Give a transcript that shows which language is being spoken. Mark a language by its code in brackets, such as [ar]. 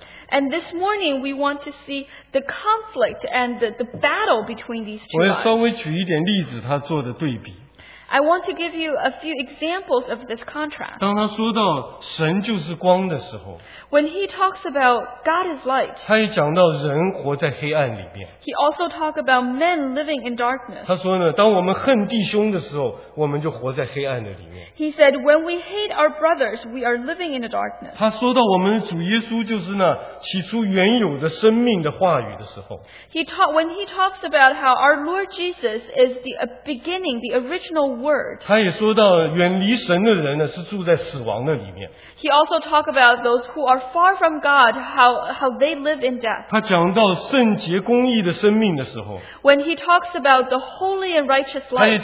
[en] And this morning, we want to see the conflict and the battle between these two lives. [zh] 我要稍微举一点例子他做的对比。 [en] I want to give you a few examples of this contrast. [zh] 当他说到神就是光的时候, [en] When he talks about God is light, [zh] 他也讲到人活在黑暗里面, [en] he also talks about men living in darkness. [zh] 他说呢, 当我们恨弟兄的时候, 我们就活在黑暗的里面。 [en] He said, when we hate our brothers, we are living in the darkness. [zh] 他说到我们主耶稣就是那起初原有的生命的话语的时候, [en] when he talks about how our Lord Jesus is the beginning, the original word, [zh] 他也说到远离神的人呢，是住在死亡的里面。 [en] He also talked about those who are far from God, how they live in death. [zh] 他讲到圣洁公义的生命的时候， [en] When he talks about the holy and righteous life,